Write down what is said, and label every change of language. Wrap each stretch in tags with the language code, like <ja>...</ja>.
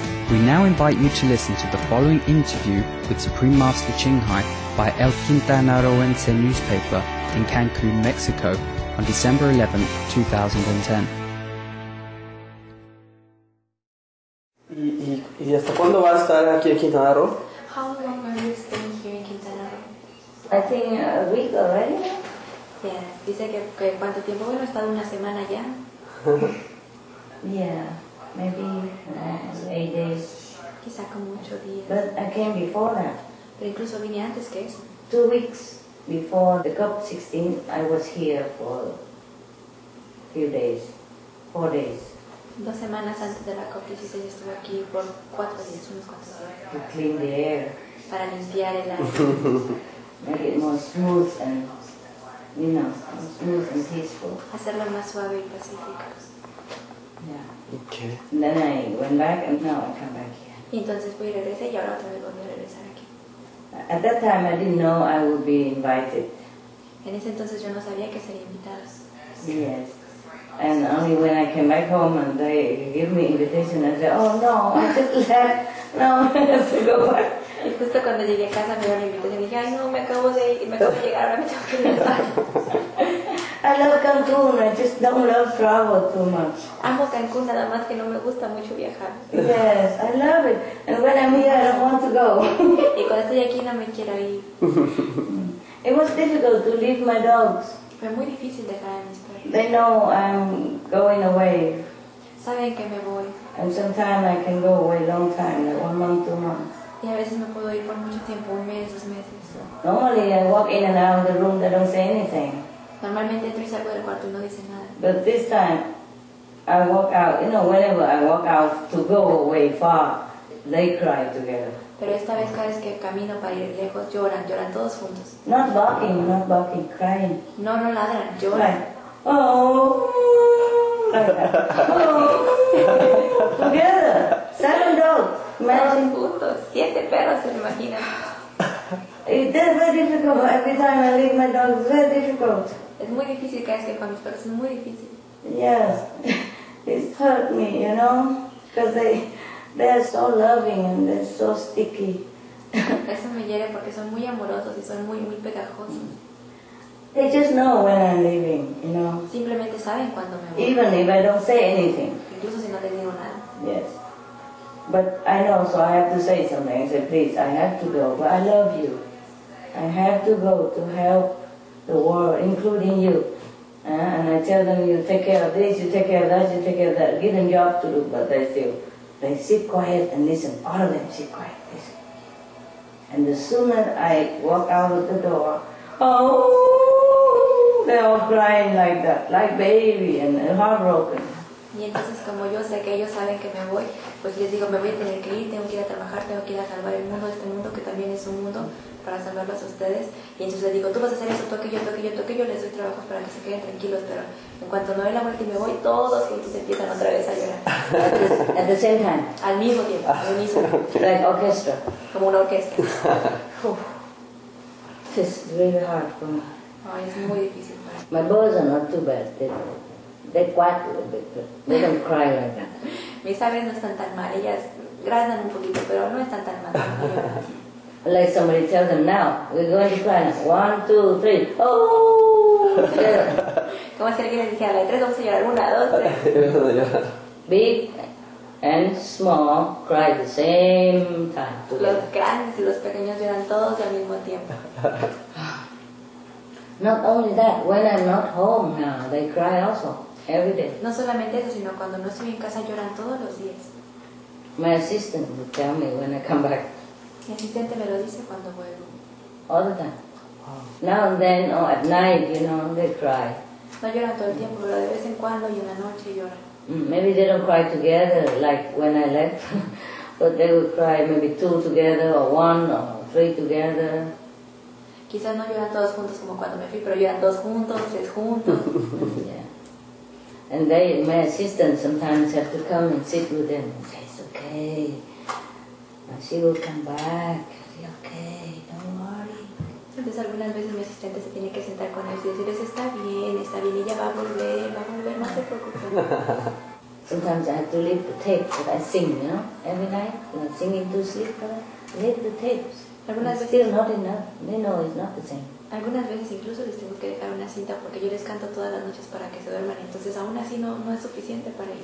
<en>We now invite you to listen to the following interview with Supreme Master Qinghai by El Quintanarroense newspaper in Cancun, Mexico on December 11, 2010.</en> <es>¿Y hasta cuándo va a estar aquí en Quintana Roo?</es> <en>How long are you staying here in Quintana Roo? I think a week already. Yes.</en> <es>Dice que cuánto tiempo, bueno, he estado una semana ya.</es> <en>Yeah, maybe 8 days.</en> <es>Quizá como 8 días.</es> <en>But I came before that.</en> <es>Pero incluso vine antes que eso.</es> <en>2 weeks before the COP16, I was here for a few days, 4 days.</en> <es>2 semanas antes de la COP16 estuve aquí por 4 días, unos 4 días.</es> <en>To clean the air.</en> <es>Para limpiar el aire.</es> <en>Make it more smooth and, you know, smooth and peaceful.</en> <es>Hacerlo más suave y pacífico.</es> <en>Yeah. Okay. And then I went back and now I come back here.</en> <es>Y entonces fui y regresé y ahora otra vez volví a regresar aquí.</es> <en>At that time I didn't know I would be invited.</en> <es>En ese entonces yo no sabía que sería invitado.</es> <en>Yes. And only when I came back home and they give me invitation, I said, oh no, I just left. No, I have to go back.</en> <es>Y justo cuando llegué a casa me dio la invitación y dije, ay no, me acabo de ir, me acabo de llegar, ahora me tengo que regresar.</es> <en>I love Cancun, I just don't love travel too much.</en> <es>Amo Cancun, nada más que no me gusta mucho viajar.</es> <en>Yes, I love it. And when I'm here, I don't want to go.</en> <es>Y cuando estoy aquí no me quiero ir.</es> <en>It was difficult to leave my dogs.</en> <es>Fue muy difícil dejar a mis perros.</es> <en>They know I'm going away.</en> <es>Saben que me voy.</es> <en>And sometimes I can go away a long time, like 1 month, 2 months.</en> <es>Y a veces me puedo ir por mucho tiempo, un mes, 2 meses.</es> <en>So. Normally I walk in and out of the room, they don't say anything.</en> <es>Normalmente entro y salgo del cuarto y no dicen nada.</es> <en>But this time, I walk out, you know, whenever I walk out to go away far, they cry together.</en> <es>Pero esta vez cada vez que camino para ir lejos, lloran, lloran todos juntos.</es> <en>Not barking, crying.</en> <es>No, no ladran, lloran.</es> <en>Right. Oh, together, 7 dogs, imagine.</en> <es>Juntos, 7 perros, se imagina.</es> <en>It's very difficult, every time I leave my dogs, it's very difficult.</en> <es>Es muy difícil cada vez que con mis perros, es muy difícil.</es> <en>Yes, it's hurt me, you know, because they are so loving and they're so sticky.</en> <es>Eso me hiere porque son muy amorosos y son muy, muy pegajosos.</es> <en>They just know when I'm leaving, you know.</en> <es>Simplemente saben cuando me voy.</es> <en>Even if I don't say anything.</en> <es>Incluso si no te digo nada.</es> <en>Yes. But I know, so I have to say something. I say, please, I have to go, but I love you. I have to go to help the world, including you. And I tell them, you take care of this, you take care of that, you take care of that. Give them job to do, but they sit quiet and listen. All of them sit quiet and listen. And the sooner I walk out of the door, oh, they're all crying like that, like baby and heartbroken.</en> <es>Y entonces como yo sé que ellos saben que me voy, pues les digo, me voy a tener que ir, tengo que ir a trabajar, tengo que ir a salvar el mundo, este mundo que también es un mundo, para salvarlos a ustedes. Y entonces les digo, tú vas a hacer eso, toque yo, les doy trabajo para que se queden tranquilos, pero en cuanto no ve la muerte y me voy, todos juntos empiezan otra vez a llorar.</es> <en>At the same time.</en> <es>Al mismo tiempo, al mismo tiempo.</es> <en>Like orchestra.</en> <es>Como una orquesta.</es> <en>Uf. It's really hard for me.</en> <es>Ay, es muy difícil para mí.</es> <en>My boys are not too bad, they're quiet a little bit, but they don't cry like that.</en> <es>Mis aves no están tan mal, ellas graznan un poquito, pero no están tan mal.</es> <en>Like somebody tell them now, we're going to cry now. 1, 2, 3. Oh!</en> <es>Como si alguien les dijera, la 3, vamos a llorar. 1, 2, 3.</es> <en>Big and small cry the same time.</en> <es>Los grandes y los pequeños lloran todos al mismo tiempo.</es> <en>Not only that, when I'm not home now, they cry also, every day.</en> <es>No solamente eso, sino cuando no estoy en casa lloran todos los días.</es> <en>My assistant would tell me when I come back.</en> <es>Mi asistente me lo dice cuando vuelvo.</es> <en>All the time. Now and then, or at night, you know, they cry.</en> <es>No lloran todo el tiempo, pero de vez en cuando y una noche lloran.</es> <en>Maybe they don't cry together, like when I left, but they would cry maybe 2 together, or 1, or 3 together.</en> <es>Quizás no lloran todos juntos como cuando me fui, pero lloran 2 juntos, 3 juntos.</es> <en>Yeah. And they, my assistant sometimes have to come and sit with them and say, it's okay. She will come back. Be okay, don't worry.</en> <es>Entonces algunas veces mi asistente se tiene que sentar con ellos y decirles, está bien, ella va a volver, no se preocupen.</es> <en>Sometimes I have to leave the tapes that I sing, you know, every night, when I'm singing to sleep, but leave the tapes.</en> <es>Algunas veces,</es> <en>still not enough, they know it's not the same.</en> <es>Algunas veces incluso les tengo que dejar una cinta porque yo les canto todas las noches para que se duerman, entonces aún así no es suficiente para ellos.</es>